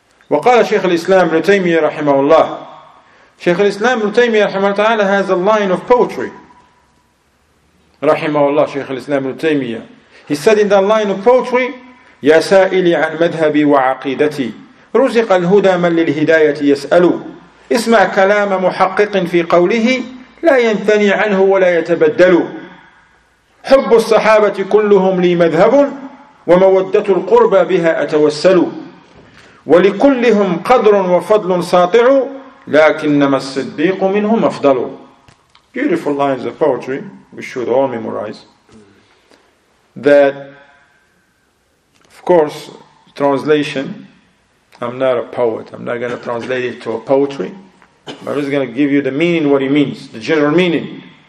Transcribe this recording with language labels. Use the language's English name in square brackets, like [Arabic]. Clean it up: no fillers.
[Arabic] وَقَالَ شَيْخُ الْإِسْلَامِ بْنُ تَيْمِيَةَ رَحِمَهُ اللَّهِ [English] Shaykh al-Islam ibn Taymiyyah rahimahu ta'ala has a line of poetry. رَحِمَهُ اللَّهِ Shaykh al-Islam ibn Taymiyyah. He said in that line of poetry, [Arabic] يا سائلي عن مذهبي وعقيدتي رزق الهدى من للهداية يسأل اسمع كلام محقق في قوله لا ينثني عنه ولا يتبدل حب الصحابة كلهم لي مذهب ومودة القربى بها أتوسل ولكلهم قدر وفضل ساطع لكنما الصديق منهم أفضل [English] beautiful lines of poetry, we should all memorize, that, of course, translation, I'm not a poet, I'm not going to translate it to a poetry, I'm just going to give you the meaning, what it means, the general meaning.